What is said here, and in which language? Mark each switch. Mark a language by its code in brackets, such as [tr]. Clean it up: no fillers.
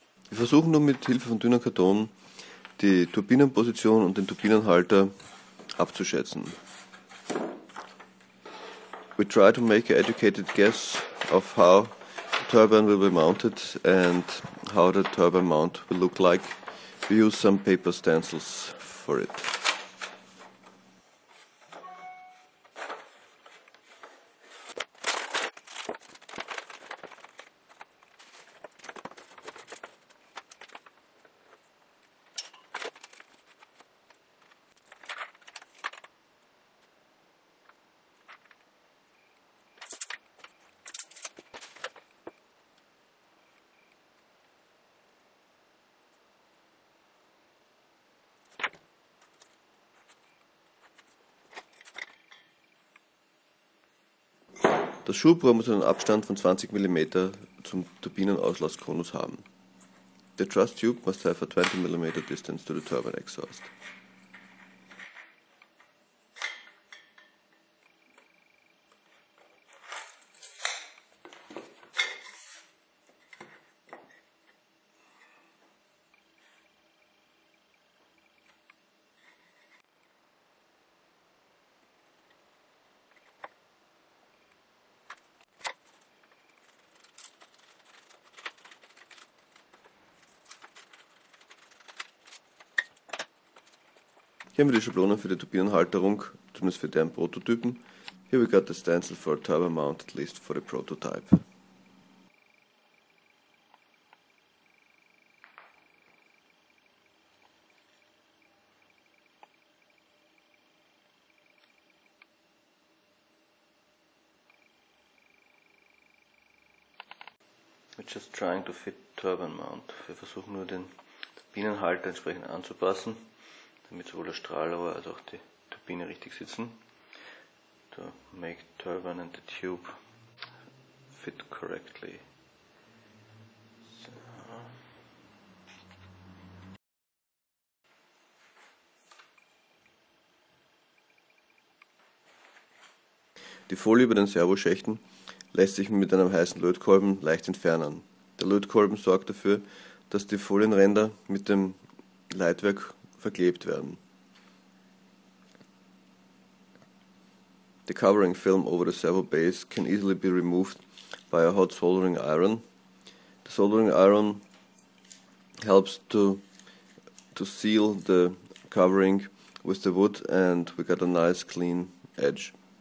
[de] Wir versuchen nun mit Hilfe von dünner Karton die Turbinenposition und den Turbinenhalter abzuschätzen. [en] We try to make an educated guess of how the turbine will be mounted and how the turbine mount will look like. We use some paper stencils for it. [de] Das Schubrohr muss einen Abstand von 20 mm zum Turbinenauslasskonus haben. [en] The thrust tube must have a 20 mm distance to the turbine exhaust. [de] Hier haben wir die Schablonen für die Turbinenhalterung, zumindest für deren Prototypen. [en] Here we got the stencil for a turbine mount, at least for the prototype. We're just trying to fit turbine mount. [de] Wir versuchen nur den Turbinenhalter entsprechend anzupassen, damit sowohl der Strahlrohr als auch die Turbine richtig sitzen. [en] To make turbine and the tube fit correctly. [de] Die Folie über den Servoschächten lässt sich mit einem heißen Lötkolben leicht entfernen. Der Lötkolben sorgt dafür, dass die Folienränder mit dem Leitwerk verklebt werden. [en] The covering film over the servo base can easily be removed by a hot soldering iron. The soldering iron helps to seal the covering with the wood and we got a nice clean edge.